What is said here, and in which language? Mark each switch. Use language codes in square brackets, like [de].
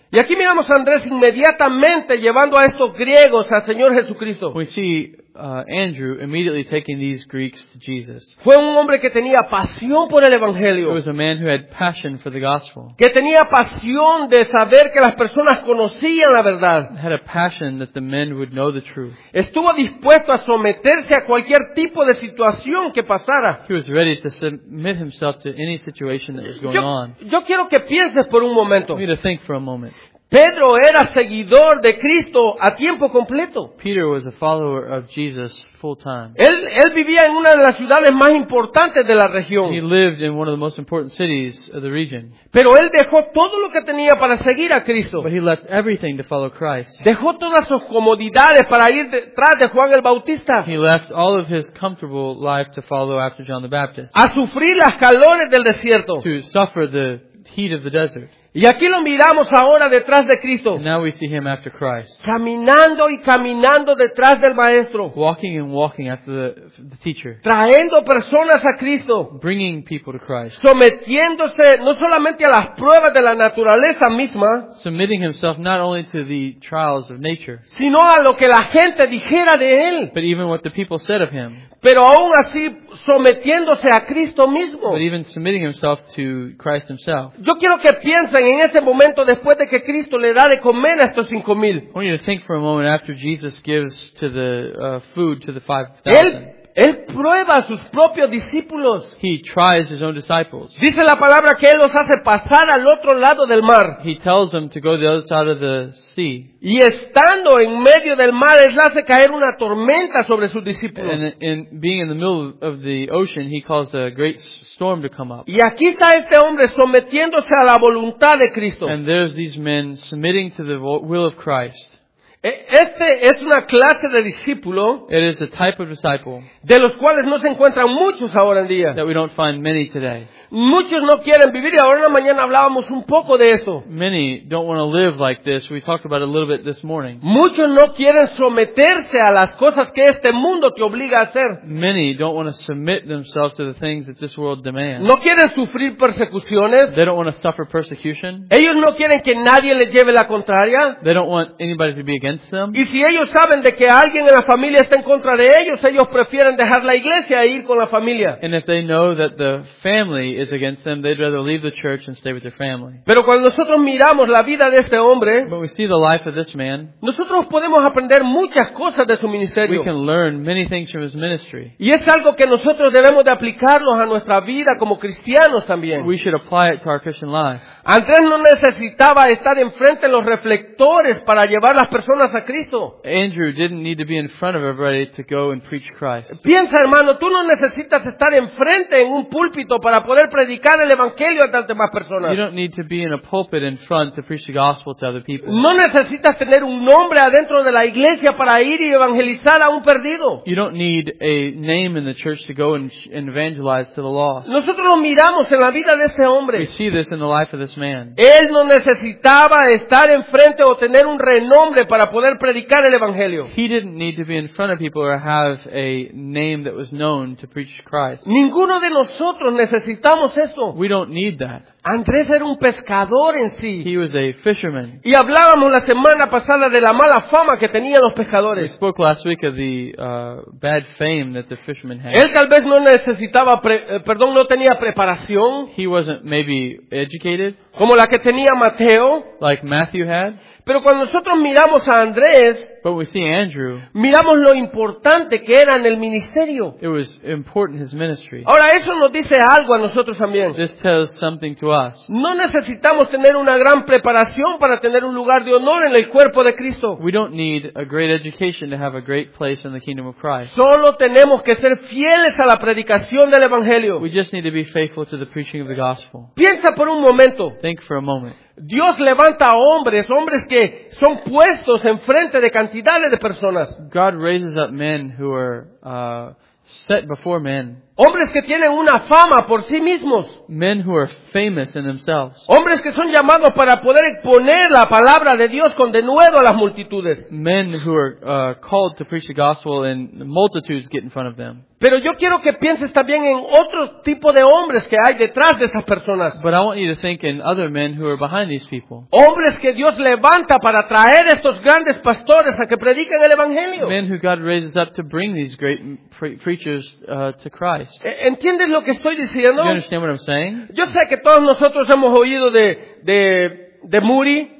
[es] Y aquí miramos a Andrés inmediatamente llevando a estos griegos al Señor Jesucristo. [en] We see Andrew immediately taking these Greeks to Jesus. [es] Fue un hombre que tenía pasión por el evangelio. [en] He was a man who had passion for the gospel. [es] Que tenía pasión de saber que las personas conocían la verdad. [en] Had a passion that the men would know the truth. [es] Estuvo dispuesto a someterse a cualquier tipo de situación que pasara. [en] He was ready to submit himself to any situation that was going on. [es] Yo quiero que pienses por un momento. [en] I need to think for a moment. [es] Pedro era seguidor de Cristo a tiempo completo. [en] Peter was a follower of Jesus full time. [es] Él vivía en una de las ciudades más importantes de la región. [en] He lived in one of the most important cities of the region. [es] Pero él dejó todo lo que tenía para seguir a Cristo. [en] But he left everything to follow Christ. [es] Dejó todas sus comodidades para ir detrás de Juan el Bautista. [en] He left all of his comfortable life to follow after John the Baptist. [es] A sufrir las calores del desierto. [en] To suffer the heat of the desert. [es] Y aquí lo miramos ahora detrás de Cristo. [en] And now we see him after Christ. [es] Caminando y caminando detrás del Maestro. [en] Walking and walking after the teacher. [es] Trayendo personas a Cristo. [en] Bringing people to Christ. [es] Sometiéndose no solamente a las pruebas de la naturaleza misma. [en] Submitting himself not only to the trials of nature. [es] Sino a lo que la gente dijera de él. [en] But even what the people said of him. [es] Pero aún así sometiéndose a Cristo mismo. [en] But even submitting himself to Christ himself. [es] Yo quiero que piensen en ese momento después de que Cristo le da de comer a estos 5,000. [en] I want you to think for a moment after Jesus gives to the food to the 5,000. [es] Él prueba a sus propios discípulos. [en] He tries his own disciples. [es] Dice la palabra que él los hace pasar al otro lado del mar. [en] He tells them to go the other side of the sea. [es] Y estando en medio del mar, él hace caer una tormenta sobre sus discípulos. [en] And being in the middle of the ocean, he calls a great storm to come up. [es] Y aquí está este hombre sometiéndose a la voluntad de Cristo. [en] And there's these men submitting to the will of Christ. [es] Este es una clase de discípulo. [en] It is a type of disciple. [es] De los cuales no se encuentran muchos ahora en día. [en] That we don't find many today. [es] Muchos no quieren vivir, y ahora en la mañana hablábamos un poco de eso. [en] Many don't want to live like this. We talked about it a little bit this morning. [es] Muchos no quieren someterse a las cosas que este mundo te obliga a hacer. [en] Many don't want to submit themselves to the things that this world demands. [es] No quieren sufrir persecuciones. [en] They don't want to suffer persecution. [es] Ellos no quieren que nadie les lleve la contraria. [en] They don't want anybody to be against them. [es] Y si ellos saben de que alguien en la familia está en contra de ellos, ellos prefieren dejar la iglesia e ir con la familia. [en] And if they know that the family is against them, they'd rather leave the church and stay with their family. [es] Pero cuando nosotros miramos la vida de este hombre, [en] when we see the life of this man, [es] nosotros podemos aprender muchas cosas de su ministerio. [en] We can learn many things from his ministry. [es] Y es algo que nosotros debemos de aplicarnos a nuestra vida como cristianos también. [en] We should apply it to our Christian life. [es] Andrés no necesitaba estar enfrente de los reflectores para llevar las personas a Cristo. [en] Andrew didn't need to be in front of everybody to go and preach Christ. [es] Piensa, hermano, tú no necesitas estar enfrente en un púlpito para poder predicar el evangelio a tantas más personas. [en] You don't need to be in a pulpit in front to preach the gospel to other people. [es] No necesitas tener un nombre adentro de la iglesia para ir y evangelizar a un perdido. [en] You don't need a name in the church to go and evangelize to the lost. [es] Nosotros lo miramos en la vida de este hombre. [en] We see this in the life of this man. [es] Él no necesitaba estar enfrente o tener un renombre para poder predicar el evangelio. [en] He didn't need to be in front of people or have a name that was known to preach Christ. [es] Ninguno de nosotros necesitamos eso. [en] We don't need that. [es] Andrés era un pescador en sí. [en] He was a fisherman. [es] Y hablábamos la semana pasada de la mala fama que tenían los pescadores. [en] We spoke last week of the bad fame that the fishermen had. [es] Él tal vez no necesitaba no tenía preparación. [en] He wasn't maybe educated. [es] Como la que tenía Mateo. [en] Like Matthew had. [es] Pero cuando nosotros miramos a Andrés, [en] but we see Andrew, [es] miramos lo importante que era en el ministerio. [en] It was important, his ministry. [es] Ahora, eso nos dice algo a nosotros también. [en] This tells something to us. [es] No necesitamos tener una gran preparación para tener un lugar de honor en el cuerpo de Cristo. [en] We don't need a great education to have a great place in the kingdom of Christ. [es] Solo tenemos que ser fieles a la predicación del evangelio. [en] We just need to be faithful to the preaching of the gospel. [es] Piensa por un momento. [en] Think for a moment. [es] Dios levanta hombres que son puestos enfrente de cantidades de personas. [en] God raises up men who are set before men. [es] Hombres que tienen una fama por sí mismos. [en] Men who are famous in themselves. [es] Hombres que son llamados para poder exponer la palabra de Dios con denuedo a las multitudes. [en] Men who are called to preach the gospel and multitudes get in front of them. [es] Pero yo quiero que pienses también en otro tipo de hombres que hay detrás de esas personas. [en] But I want you to think in other men who are behind these people. [es] Hombres que Dios levanta para traer estos grandes pastores a que prediquen el evangelio. [en] Men who God raises up to bring these great preachers to Christ. [es] ¿Entiendes lo que estoy diciendo? [en] You understand what I'm saying? [es] Yo sé que todos nosotros hemos oído de Moody.